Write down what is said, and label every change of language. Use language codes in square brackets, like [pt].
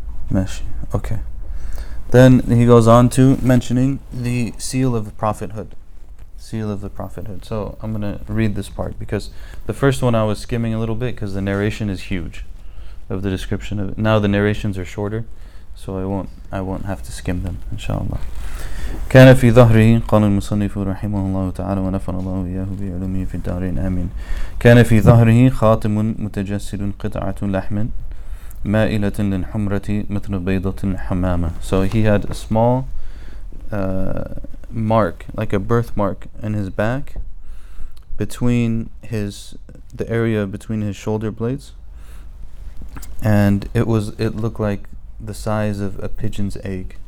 [en] Mesh, okay. Then he goes on to mentioning the seal of the prophethood. Seal of the prophethood. So I'm going to read this part, because the first one I was skimming a little bit because the narration is huge of the description of it. Now the narrations are shorter, so I won't have to skim them, inshallah. [ar] كان في ظهره قال المصنف رحمه الله تعالى ونفعنا الله إياه بعلومه في الدارين آمين كان في ظهره خاتم متجسد قطعة لحم مائلة للحمرة مثل بيضة حمامة. [en] So he had a small mark, like a birthmark in his back, between the area between his shoulder blades, and it looked like the size of a pigeon's egg.